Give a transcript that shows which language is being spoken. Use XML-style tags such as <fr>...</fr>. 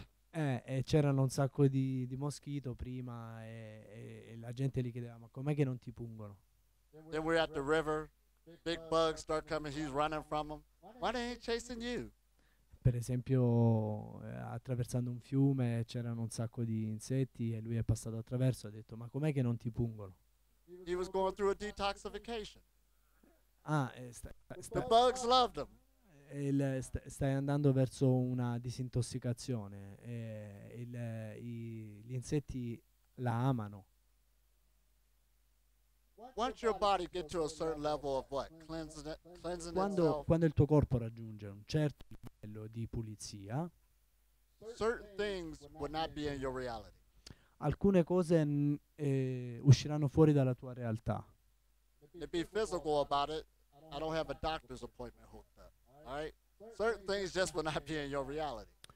<it>e c'erano un sacco di moschito prima e la gente gli chiedeva, ma com'è che non ti pungono?</it> <en>Then we're at the river, big bugs start coming, he's running from them. Why they ain't chasing you?</en> <it>Per esempio, attraversando un fiume c'erano un sacco di insetti e lui è passato attraverso e ha detto, ma com'è che non ti pungono?</it> <en>He was going through a detoxification. Ah, the bugs loved him.</en> <it>Stai andando verso una disintossicazione e gli insetti la amano.</it> <en>Once your body get to a certain level of what? Cleansing</en> <it>quando il tuo corpo raggiunge un certo livello di pulizia,</it> <en>certain things will not be in your reality.</en> <it>Alcune cose usciranno fuori dalla tua realtà.</it> <en>To be physical about it, I don't have a doctor's appointment hooked up. All right. Certain things just will not be in your reality.</en>